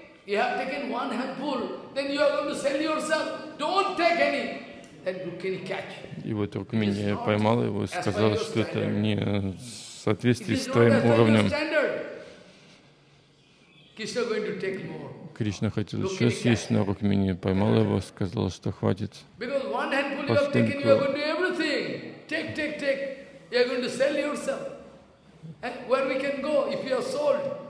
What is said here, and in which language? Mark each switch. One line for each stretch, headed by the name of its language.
English: You have taken one handful, then you are going to sell yourself. Don't take any. Then Rukmini catch.
Russian: И вот Рукмини поймала его и сказала, что это не соответствует твоим уровням.
English: Krishna going to take more.
Russian: Кришна хотел еще съесть, но Рукмини поймала его и сказала, что хватит.
English: Because one handful you have taken, you are going to do everything. Take. You are going to sell yourself. Where we can go if you are sold?